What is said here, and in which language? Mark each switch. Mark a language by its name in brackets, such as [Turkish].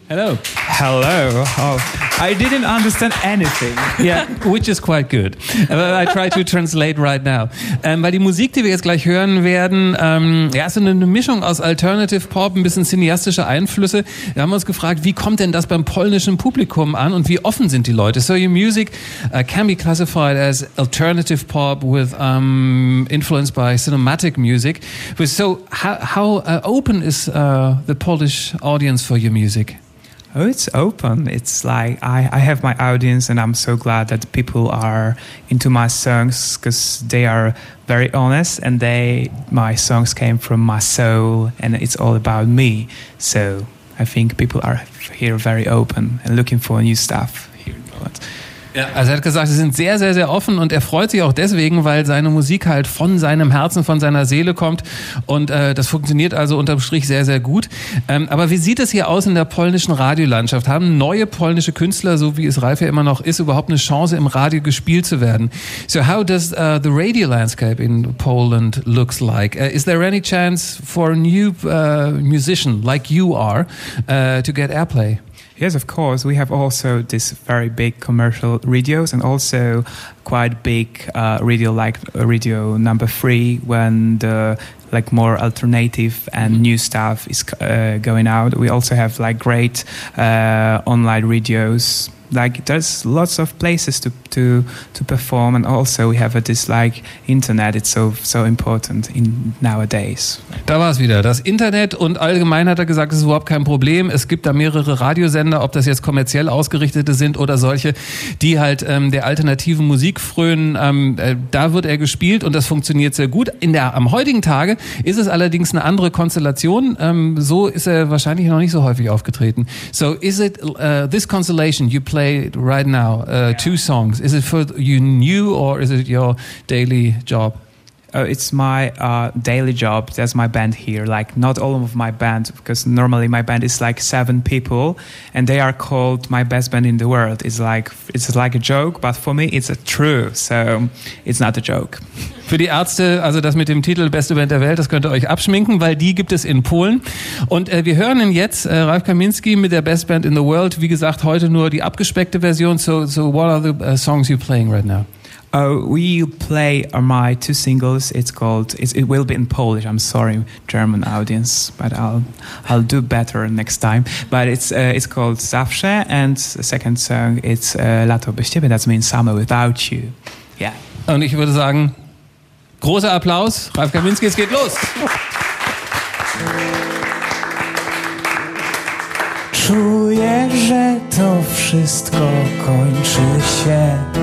[English] Hello. Oh, I didn't understand anything. Yeah, which is quite good. But I try to translate right now. [German] Weil die Musik, die wir jetzt gleich hören werden, ist eine Mischung aus Alternative Pop, ein bisschen cineastische Einflüsse. Wir haben uns gefragt, wie kommt denn das beim polnischen Publikum an und wie offen sind die Leute? [English] So your music can be classified as Alternative Pop with influenced by cinematic music. So how open is the Polish audience for your music? Oh, it's open. It's like I have my audience, and I'm so glad that people are into my songs because they are very honest, and my songs came from my soul, and it's all about me. So I think people are here very open and looking for new stuff here in Poland. [German] Ja, also er hat gesagt, sie sind sehr, sehr, sehr offen, und er freut sich auch deswegen, weil seine Musik halt von seinem Herzen, von seiner Seele kommt, und das funktioniert also unterm Strich sehr, sehr gut. Aber wie sieht es hier aus in der polnischen Radiolandschaft? Haben neue polnische Künstler, so wie es Ralf ja immer noch ist, überhaupt eine Chance, im Radio gespielt zu werden? [English] So how does the radio landscape in Poland looks like? Is there any chance for a new musician like you are to get airplay? Yes, of course. We have also this very big commercial radios, and also quite big radio, like Radio Number 3, when the like more alternative and new stuff is going out. We also have like great online radios. Like there's lots of places to perform, and also we have this like Internet. It's so important in nowadays. [German] Da war es wieder, das Internet, und allgemein hat er gesagt, es ist überhaupt kein Problem. Es gibt da mehrere Radiosender, ob das jetzt kommerziell ausgerichtete sind oder solche, die halt der alternativen Musik frönen. Da wird er gespielt, und das funktioniert sehr gut. Am heutigen Tage ist es allerdings eine andere Konstellation. So ist er wahrscheinlich noch nicht so häufig aufgetreten. [English] So is it this constellation you play right now, two songs. Is it for you new, or is it your daily job? Oh, it's my daily job. That's my band here. Like, not all of my band, because normally my band is like 7 people, and they are called my best band in the world. It's like a joke, but for me it's a true. So it's not a joke. [German] Für die Ärzte, also das mit dem Titel Beste Band der Welt, das könnt ihr euch abschminken, weil die gibt es in Polen. Und wir hören ihn jetzt, Ralf Kaminski mit der Best Band in the World. Wie gesagt, heute nur die abgespeckte Version. [English] So what are the songs you're playing right now? We play my 2 singles. It will be in Polish. I'm sorry, German audience, but I'll do better next time. But it's called Zawsze, and the second song it's Lato bez ciebie. That means summer without you. Yeah. [German] Und ich würde sagen, großer Applaus, Ralf Kaminski. Es geht los. [Polish] Czuję, że to wszystko kończy się.